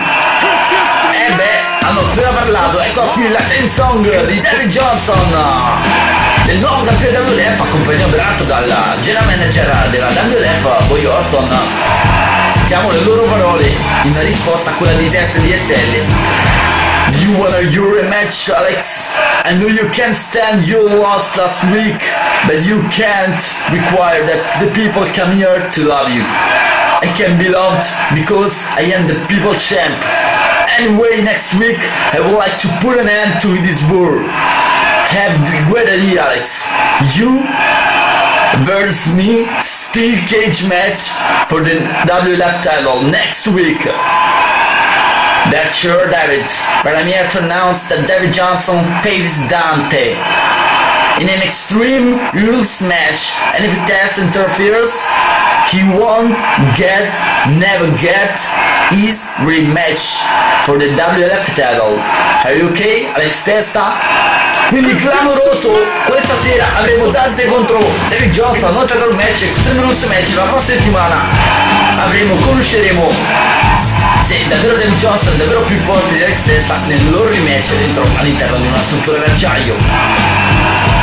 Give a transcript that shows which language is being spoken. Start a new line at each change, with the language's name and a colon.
Italian: E beh, hanno appena parlato, ecco qui la theme song di David Johnson, del nuovo campione WLF, accompagnato peraltro dalla general manager della WLF, Boy Orton. Sentiamo le loro parole in risposta a quella di Testa di SL.
English: Do you wanna your rematch, Alex? I know you can't stand your loss last week, but you can't require that the people come here to love you. I can be loved because I am the people champ. Anyway, next week I would like to put an end to this war. Have the great idea, Alex. You versus me, steel cage match for the WLF title next week. That's sure, David, but I'm here to announce that David Johnson faces Dante in an extreme rules match, and if Test interferes, he won't get, never get, his rematch for the WLF title. Are you okay, Alex Testa?
Italian: Quindi clamoroso, questa sera avremo Dante contro David Johnson, non title match, extreme rules match, la prossima settimana avremo, conosceremo se davvero David Johnson è davvero più forte di Alex Testa nel loro rematch dentro, all'interno di una struttura d'acciaio.